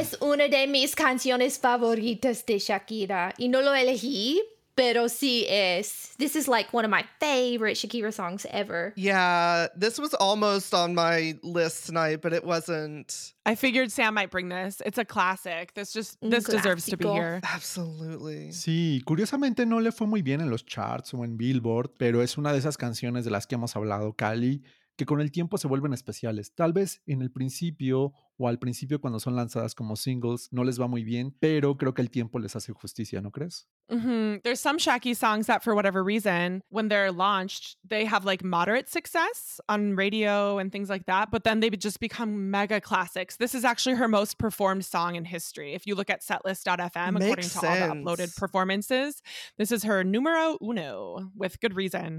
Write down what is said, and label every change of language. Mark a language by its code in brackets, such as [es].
[es] es una de mis canciones favoritas de Shakira. Y no lo elegí, pero sí es. [en] This is like one of my favorite Shakira songs ever. Yeah, this was almost on my list tonight, but it wasn't. I figured Sam might bring this. It's a classic. This deserves to be here. Absolutely. [es] Sí, curiosamente no le fue muy bien en los charts o en Billboard, pero es una de esas canciones de las que hemos hablado, Cali, que con el tiempo se vuelven especiales. Tal vez en el principio o al principio cuando son lanzadas como singles no les va muy bien, pero creo que el tiempo les hace justicia, ¿no crees? Mm-hmm. [en] There's some Shaki songs that for whatever reason, when they're launched, they have like moderate success on radio and things like that, but then they just become mega classics. This is actually her most performed song in history. If you look at setlist.fm, according to all the uploaded performances, this is her [es] numero uno [en] with good reason.